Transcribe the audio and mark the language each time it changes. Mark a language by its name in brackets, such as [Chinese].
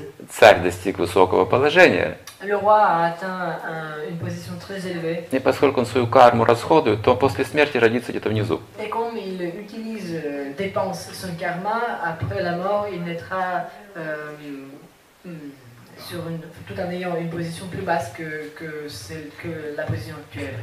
[Russian] Царь достиг высокого положения. [French] Le roi a atteint une position très élevée. [Russian] И поскольку он свою карму расходует, то после смерти родится где-то внизу. [French] Et comme il utilise, dépense son karma, après la mort, il naîtra tout en ayant une position plus basse que celle que la position actuelle.